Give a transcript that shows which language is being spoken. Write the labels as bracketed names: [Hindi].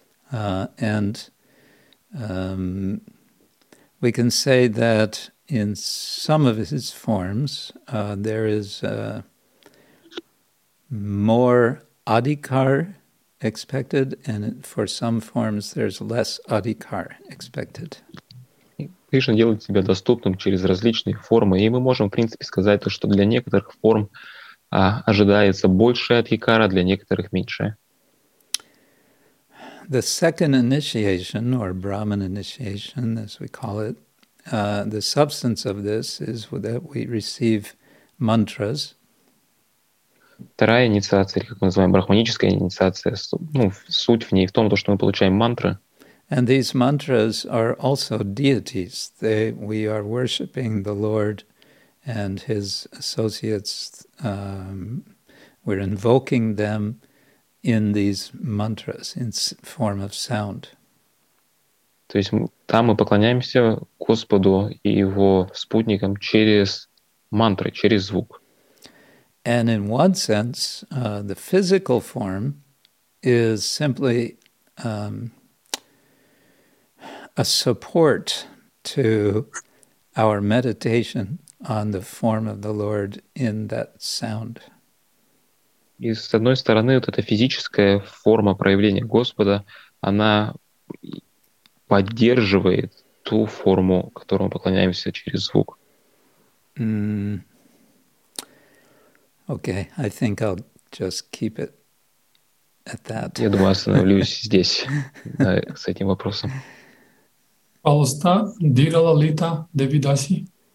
[English] We can say that in some of his forms, there is more adhikar expected, and for some forms, there's less adhikar expected. [Russian] Кришна делает себя доступным через различные формы, и мы можем, в принципе, сказать то, что для некоторых форм ожидается больше адхикара, для некоторых меньше. [English] The second initiation, or Brahman initiation, as we call it, the substance of this is that we receive mantras. [Russian] Вторая инициация, как мы называем, брахманическая инициация, ну, суть в ней в том, что мы получаем мантры. [English] And these mantras are also deities. We are worshipping the Lord and His associates. We're invoking them in these mantras, in form of sound. [Russian] То есть там мы поклоняемся Господу и Его спутникам через мантры, через звук. [English] And in one sense, the physical form is simply a support to our meditation on the form of the Lord in that sound. [Russian] И с одной стороны, вот эта физическая форма проявления Господа, она поддерживает ту форму, которой мы поклоняемся через звук. [English] Okay, I think I'll just keep it at that. [Russian] Я думаю, остановлюсь здесь, с этим вопросом. Пожалуйста, дирала лита девидаси.